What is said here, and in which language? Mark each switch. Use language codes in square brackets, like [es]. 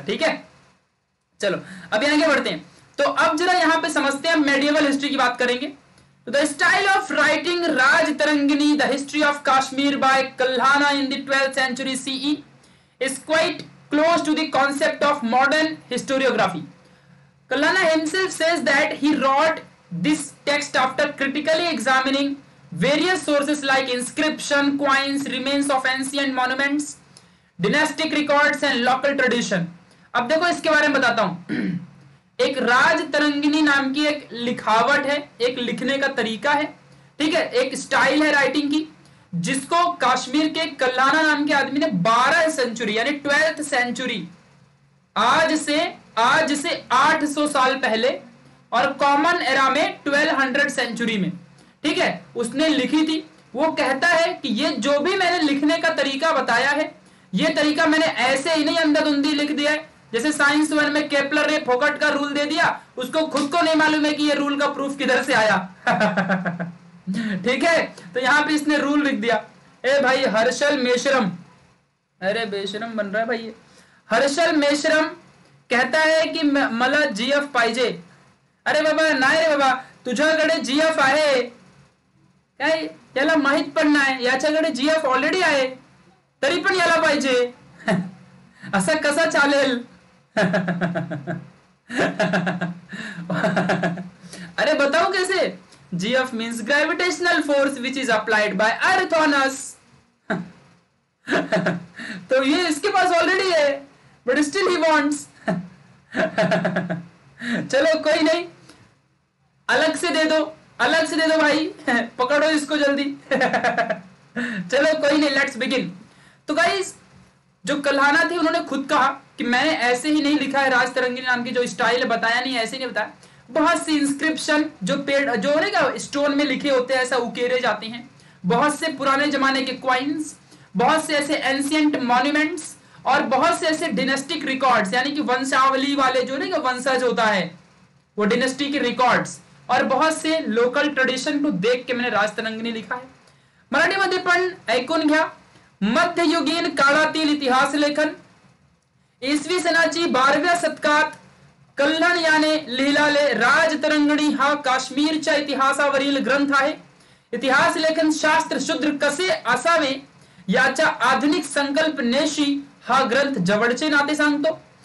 [hi] ठीक है, चलो अभी आगे बढ़ते हैं। तो अब जरा यहां पे समझते हैं, मेडिवल हिस्ट्री की बात करेंगे। [en] The style of writing Raj Tarangini the history of Kashmir by Kalhana in the 12th century CE is quite close to the concept of modern historiography. Kalhana himself says that he wrote this text after critically examining various sources like inscription, coins, remains of ancient monuments, dynastic records and local tradition. [hi] अब देखो इसके बारे में बताता हूं। एक राज तरंगिनी नाम की एक लिखावट है, एक लिखने का तरीका है, ठीक है, एक स्टाइल है राइटिंग की, जिसको कश्मीर के कल्हाना नाम के आदमी ने 12th century यानी 12th century आज से 800 साल पहले और कॉमन एरा में 1200th century में, ठीक है, उसने लिखी थी। वो कहता है कि ये जो भी मैंने लिखने का तरीका बताया है, ये तरीका मैंने ऐसे ही नहीं अंधाधुंधी लिख दिया है, जैसे साइंस वन में केपलर ने फोकट का रूल दे दिया, उसको खुद को नहीं मालूम है कि ये रूल का प्रूफ किधर से आया। ठीक है, तो यहां पे इसने रूल लिख दिया। ए भाई हर्षल मेश्रम, अरे बेश्रम बन रहा है भाई ये। हर्षल मेश्रम कहता है कि [mr] मला GF पाहिजे। अरे बाबा नाही रे बाबा, तुझ्याकडे GF आहे काय, याला माहित पण नाही, याच्याकडे GF ऑलरेडी आहे तरी पण याला पाहिजे, असं कसं चालेल। [hi] अरे बताओ कैसे, [en] GF means gravitational force which is applied by Earth on us. [hi] तो ये इसके पास ऑलरेडी है [en] But still he wants. [hi] चलो कोई नहीं, अलग से दे दो भाई, पकड़ो इसको जल्दी। चलो कोई नहीं, [en] Let's begin. [hi] तो गाइस, जो कल्हाना थी उन्होंने खुद कहा कि मैंने ऐसे ही नहीं लिखा है, राज तरंगिनी नाम की जो स्टाइल बताया नहीं, ऐसे ही नहीं बताया, बहुत सी इंस्क्रिप्शन जो पेड़ जो होने का स्टोन में लिखे होते हैं ऐसा उकेरे जाते हैं, बहुत से पुराने जमाने के क्वाइंस, बहुत से ऐसे एंशियंट मॉन्यूमेंट्स और बहुत से ऐसे डिनेस्टिक रिकॉर्ड्स, यानी कि वंशावली वाले जो नहीं का वंशज होता है वो डिनेस्टी के रिकॉर्ड्स और बहुत से लोकल ट्रेडिशन को देख के मैंने राज तरंगिनी लिखा है। [mr] मराठी मध्ये पण ऐकून घ्या, मध्ययुगीन काळातील इतिहास लेखन, इसवी सनाची 12व्या शतकात कल्हण याने लिहिलेले राज तरंगिणी हा काश्मीरच्या इतिहासावरील ग्रंथ आहे। इतिहास लेखन शास्त्र शुद्र कसे असावे याच्या आधुनिक संकल्पनेशी हा ग्रंथ जवळचे नाते सांगतो।